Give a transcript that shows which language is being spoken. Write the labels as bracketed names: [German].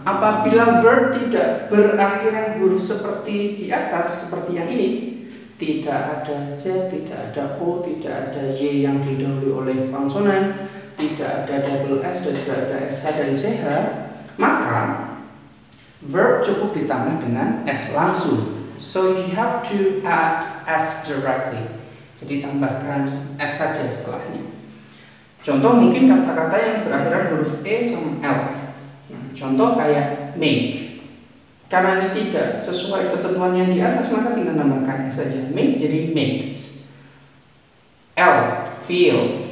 [Indonesian] Apabila verb tidak berakhiran huruf seperti di atas, seperti yang ini, tidak ada Z, tidak ada O, tidak ada Y yang didahului oleh konsonan, tidak ada double S, dan tidak ada SH dan CH, maka verb cukup ditambah dengan S langsung. [English] So you have to add S directly. [Indonesian] Jadi tambahkan S saja setelahnya. Contoh mungkin kata-kata yang berakhiran huruf E sama L. Contoh kayak make. Karena ini tidak sesuai ketentuan yang di atas, maka tinggal nambahkan S saja. Make jadi makes. L, feel.